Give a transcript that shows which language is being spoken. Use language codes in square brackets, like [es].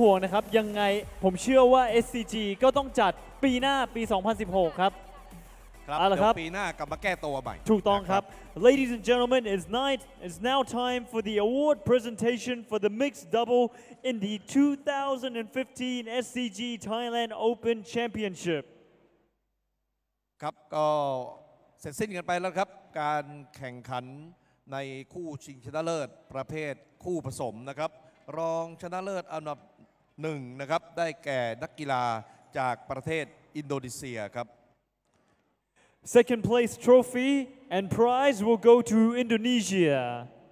[th] ครับก็เดี๋ยวผมลองถอดเสื้อบ้างอย่าเลยไม่เย็นๆครับเป็นบรรยากาศที่สนุกสนานนะครับถูกต้องครับแล้วก็แหมเสียดายครับที่เกมระดับโลกอย่างนี้เนี่ยนะครับนักกีฬาไทยนะครับไม่สามารถเข้ามาสู่รอบชิงชนะเลิศได้นะฮะ แต่ไม่ต้องห่วงนะครับยังไงผมเชื่อว่า SCG ก็ต้องจัดปีหน้าปี2016ครับ ครับเดี๋ยวปีหน้ากลับมาแก้ตัวใหม่ถูกต้องครับ [en] Ladies and gentlemen, it's now time for the award presentation for the mixed double in the 2015 SCG Thailand Open Championship. [th] ครับก็เสร็จสิ้นกันไปแล้วครับการแข่งขันในคู่ชิงชนะเลิศประเภทคู่ผสมนะครับรองชนะเลิศอันดับ 1 นะครับได้แก่นักกีฬาจากประเทศอินโดนีเซียครับ [en] Second place trophy and prize will go to Indonesia.